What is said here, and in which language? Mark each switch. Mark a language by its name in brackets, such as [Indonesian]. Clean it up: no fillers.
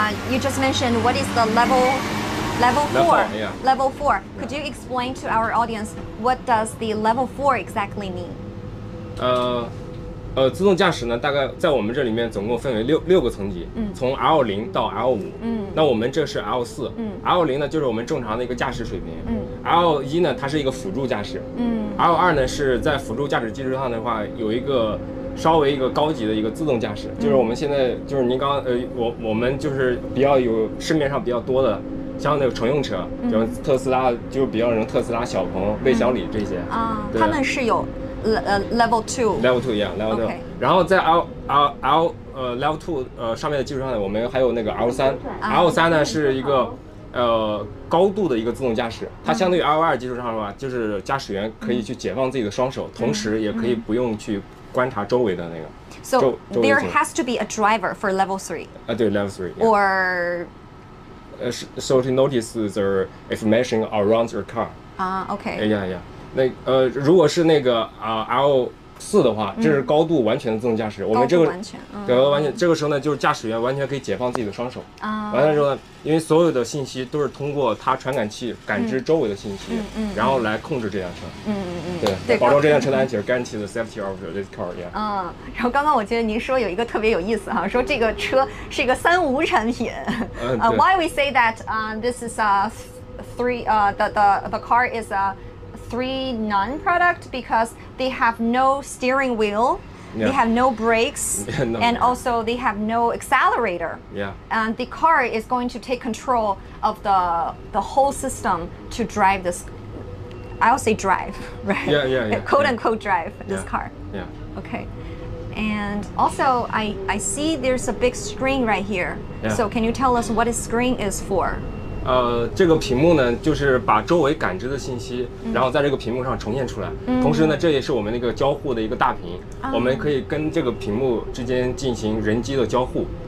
[English] You just mentioned what is the level four. Yeah. Level four. Could you explain to our audience what does the level four exactly mean? [Chinese] 自动驾驶呢，大概在我们这里面总共分为六个层级，嗯，从 L0 到 L5，嗯，那我们这是 L4，嗯，L0呢就是我们正常的一个驾驶水平，嗯，L1呢它是一个辅助驾驶，嗯，L2呢是在辅助驾驶基础上的话有一个稍微一个高级的一个自动驾驶，就是我们现在就是您刚我们就是比较有市面上比较多的。像那个乘用车，就是特斯拉，就比较人特斯拉、小鹏、魏小李这些啊、嗯，他们是有level two 一样 level two、 [English] okay. [Chinese] 然后在 level two 上面的基础上呢，我们还有那个 L3 呢是一个高度的一个自动驾驶，它相对于 L2 基础上的话，就是驾驶员可以去解放自己的双手，同时也可以不用去观察周围的那个。 [English] So there has to be a driver for level three. [Chinese] 啊，对 level three、 [English] yeah. or. So to notice the information around your car. Okay. Yeah, yeah. [Chinese] 那如果是那个L4 的话，这是高度完全的自动驾驶。嗯、我们这个高度完全，完全、嗯、这个时候呢，就是驾驶员完全可以解放自己的双手。啊。完了之后呢，因为所有的信息都是通过它传感器感知周围的信息，嗯、然后来控制这辆车。嗯嗯嗯。对，保证这辆车的安全、嗯、， [English] guarantee the safety of this car. Yeah. [Chinese] 嗯，然后刚刚我记得您说有一个特别有意思哈，说这个车是一个三无产品。嗯、 [English] Why we say that? This is a three. The car is a three none product because they have no steering wheel. Yeah. They have no brakes, no, and also they have no accelerator. Yeah. And the car is going to take control of the whole system to drive this. I'll say drive, right? Yeah, yeah, yeah. Quote unquote drive this yeah, car. Yeah. Okay. And also, I see there's a big screen right here. Yeah. So can you tell us what a screen is for? [Chinese] 这个屏幕呢，就是把周围感知的信息，然后在这个屏幕上呈现出来。嗯、同时呢，这也是我们那个交互的一个大屏、嗯，我们可以跟这个屏幕之间进行人机的交互。